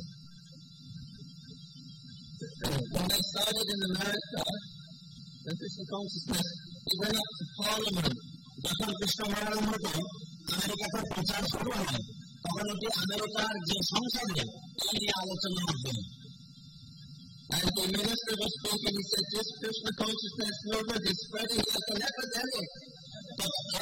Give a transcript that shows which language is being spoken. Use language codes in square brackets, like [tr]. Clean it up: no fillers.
[en] When they started in America, the Krishna consciousness, it went up to Parliament. [bn] যখন কৃষ্ণ মহারাজ মতো আমেরিকাতে প্রচার শুরু হয় তখন এটি আমেরিকার যে সংসদে এই নিয়ে আলোচনা হবে [en] As the minister was speaking, he said, this Krishna consciousness movement is spreading like an epidemic. But